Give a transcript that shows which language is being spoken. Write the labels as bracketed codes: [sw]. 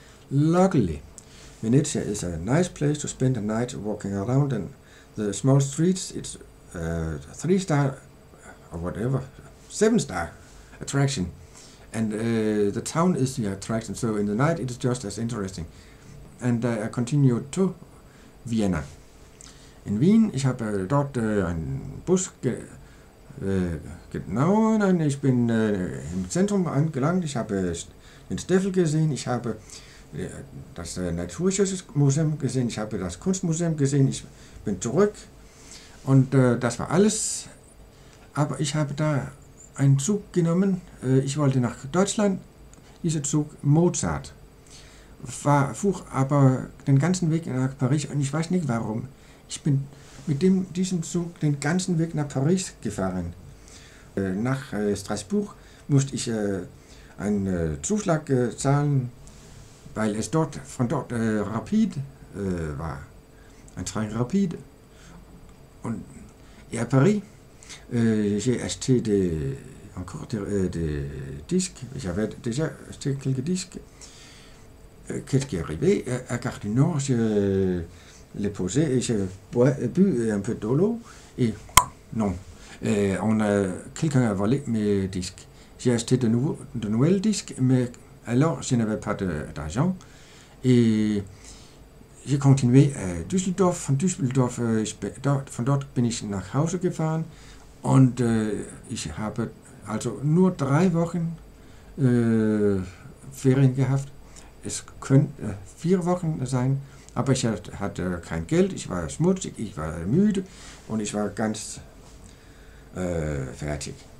[en] Luckily, Venetia is a nice place to spend a night walking around in the small streets. It's a 3-star or whatever, 7-star attraction. And the town is the attraction, so in the night it is just as interesting. And I continued to Vienna. [de] In Wien, ich habe dort einen Bus genommen, und ich bin im Zentrum angelangt. Ich habe den Steffel gesehen, ich habe das Naturschutzmuseum gesehen, ich habe das Kunstmuseum gesehen, ich bin zurück. Und das war alles. Aber ich habe da einen Zug genommen. Ich wollte nach Deutschland. Dieser Zug Mozart fuhr aber den ganzen Weg nach Paris, und ich weiß nicht warum. Ich bin mit diesem Zug den ganzen Weg nach Paris gefahren. Nach Straßburg musste ich einen Zuschlag zahlen, weil es dort von dort rapid war. Ein [fr] Train rapid. [de] Und ja, [fr] Paris, j'ai acheté encore des disques. J'avais déjà acheté quelques disques. Qu'est-ce qui est arrivé à Gare du Nord? Les poser et j'ai bu un peu d'eau et non, quelqu'un a volé mes disques. J'ai acheté de nouveaux disques, mais alors je n'avais pas d'argent et j'ai continué à Düsseldorf. [de] Von Düsseldorf, von dort bin ich nach Hause gefahren, und ich habe also nur 3 Wochen Ferien gehabt. Es könnte 4 Wochen sein. Aber ich hatte kein Geld, ich war schmutzig, ich war müde und ich war ganz fertig.